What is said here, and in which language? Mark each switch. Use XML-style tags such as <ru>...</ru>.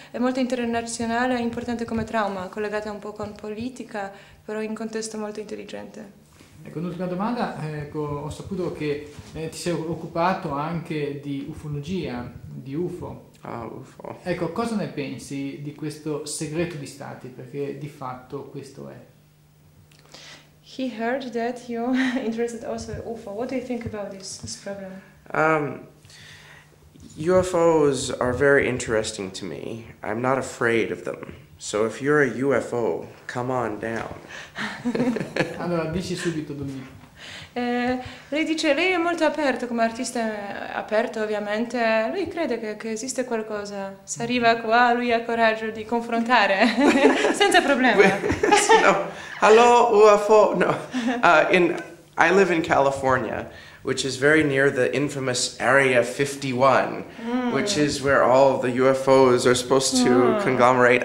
<it>È molto internazionale, importante come trauma, collegata un po' con politica, però in contesto molto intelligente. Ecco, un'ultima domanda, ecco, ho saputo che ti sei occupato anche di ufologia, di UFO. Ah, UFO. Ecco, cosa ne pensi di questo segreto di Stati? Perché di fatto questo è.</it> <en>He heard that you're interested also in UFO. What do you think about this problem? UFOs are very interesting to me. I'm not afraid of them. So if you're a UFO, come on down.</en> <it>Allora, dici subito, Dominica. Lei dice, lei è molto aperto, come artista aperto ovviamente. Lui crede che esiste qualcosa. Se arriva qua, lui ha coraggio di confrontare. Senza problema.</it> <en>No. Hello, UFO. No. I live in California, which is very near the infamous Area 51, which is where all the UFOs are supposed to conglomerate.</en>